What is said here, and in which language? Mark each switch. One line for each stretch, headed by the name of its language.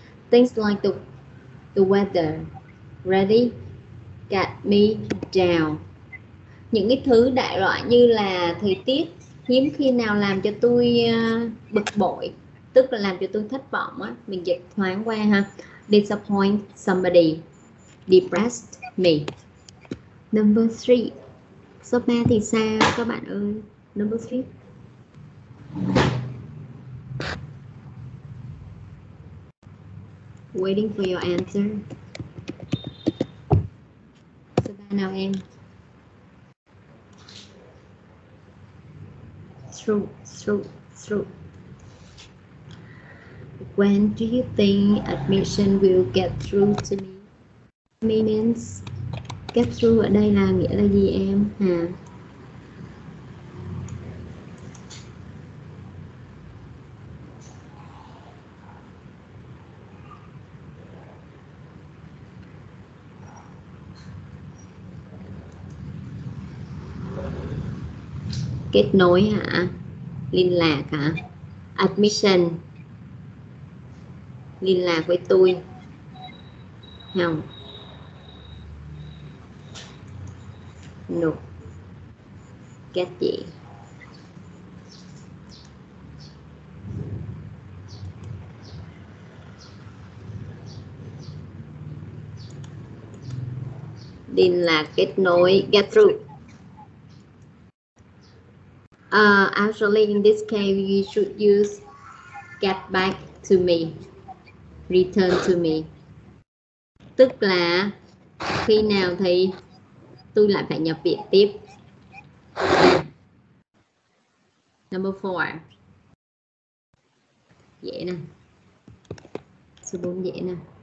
English: Things like the weather, really get me down.
Vietnamese: Những cái thứ đại loại như là thời tiết hiếm khi nào làm cho tôi bực bội, tức là làm cho tôi thất vọng á, mình dịch thoáng qua ha.
English: Disappoint somebody, depressed me. Number 3.
Vietnamese: Số 3 thì sao các bạn ơi?
English: Number 3. Waiting for your answer.
Vietnamese: Số 3 nào em?
English: Through. When do you think admission will get through to me?
Vietnamese: Means get through ở đây là nghĩa là gì em hả? Kết nối hả? Liên lạc hả? Admission liên lạc với tôi không?
English: No. Get gì?
Vietnamese: Liên lạc kết nối, get through.
English: Actually, in this case, you should use get back to me, return to me.
Vietnamese: Tức là khi nào thì tôi lại phải nhập viện tiếp.
English: Number 4.
Vietnamese: Dễ nè. Số 4 dễ nè.